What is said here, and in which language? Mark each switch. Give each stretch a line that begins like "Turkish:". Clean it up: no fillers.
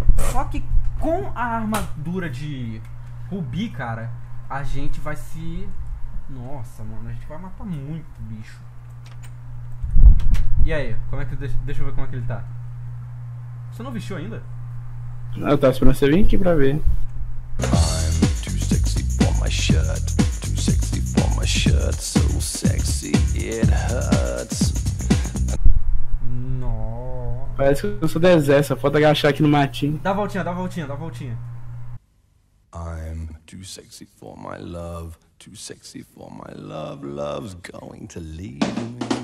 Portuguese: Só que com a armadura de rubi, cara, a gente vai se... Nossa, mano, a gente vai matar muito bicho. E aí, como é que... Deixa eu ver como é que ele tá. Você não vestiu ainda? Eu tava esperando você vir aqui pra ver.
English: I'm too sexy for my shirt, too sexy for my shirt, so sexy it hurts.
Portuguese: Nossa, Parece que eu sou do exército, falta agachar aqui no matinho. Dá voltinha, dá voltinha, dá voltinha.
English: I'm too sexy for my love, too sexy for my love, love's going to leave me.